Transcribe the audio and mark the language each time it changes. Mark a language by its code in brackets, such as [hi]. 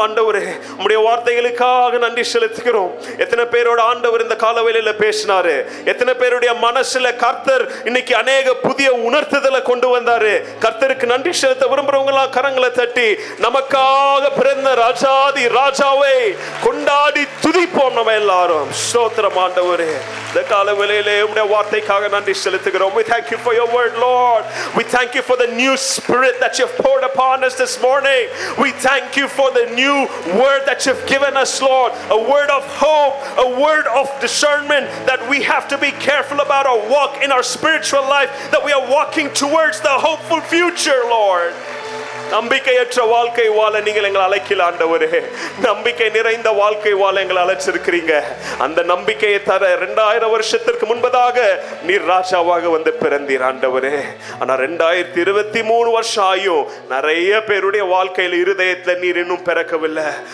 [ta] ஆண்டவரே உம்முடைய வார்த்தைகளுக்காக நன்றி செலுத்துகிறோம். எத்தனை பேரோட ஆண்டவர் இந்த காலவேளையில பேசினாரு, எத்தனை பேருடைய மனசுல கர்த்தர் இன்னைக்கு அநேக புதிய உணர்த்துதலை கொண்டு வந்தாரு. கர்த்தருக்கு நன்றி செலுத்த விரும்புறவங்களா கரங்களை தட்டி நமக்காக பிறந்த ராஜாதி ராஜாவை கொண்டாடி துதிப்போம். நம்ம எல்லாரும் ஸ்தோத்திரம் ஆண்டவரே. [en] We thank you for your word, Lord. We thank you for the new spirit that you've poured upon us this morning. We thank you for the new word that you've given us, Lord. A word of hope, a word of discernment, that we have to be careful about our walk in our spiritual life, that we are walking towards the hopeful future, Lord. [ta] நம்பிக்கையற்ற வாழ்க்கை வாழ நீங்கள் எங்களை அழைக்கல ஆண்டவரே. நம்பிக்கை நிறைந்த வாழ்க்கை வாழ எங்களை அழைச்சிருக்கிறீங்க. அந்த நம்பிக்கையை தர 2000 வருஷத்திற்கு முன்பதாக நீர் ராஜாவாக வந்து பிறந்தீர் ஆண்டவரே. ஆனா 2023 வருஷம் ஆயும், நிறைய பேருடைய வாழ்க்கையில இருதயத்துல நீர் இன்னும் பிறக்கவில்லை.